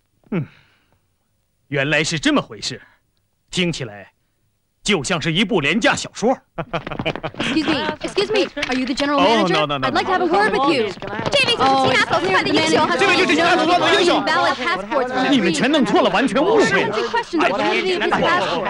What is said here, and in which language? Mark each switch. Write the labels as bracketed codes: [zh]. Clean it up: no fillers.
[zh] 嗯，原来是这么回事，听起来就像是一部廉价小说。 [en] Excuse me, excuse me, are you the general manager? Oh, no, no, no, no. I'd like to have a word with you. [zh] 这位就是其他所谓的英雄，这位就是其他所谓的英雄。你们全弄错了，完全误会了。 [en] Why did you question the validity of his passport?